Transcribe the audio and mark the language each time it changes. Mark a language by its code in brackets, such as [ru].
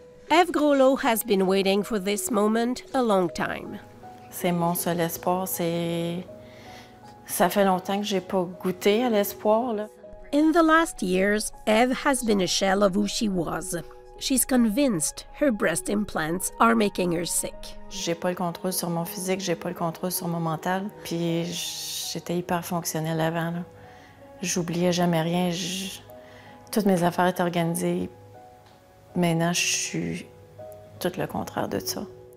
[en] Eve Grolo has been waiting for this moment a long time. [fr] C'est mon seul espoir, c'est... Ça fait longtemps que j'ai pas goûté à l'espoir, là. [en] In the last years, Eve has been a shell of who she was. She's convinced her breast implants are making her sick. [fr] J'ai pas le contrôle sur mon physique, j'ai pas le contrôle sur mon mental. Puis j'étais hyper fonctionnelle avant, là. J'oubliais jamais rien. Toutes mes affaires étaient organisées. Maintenant, je suis tout le contraire de ça.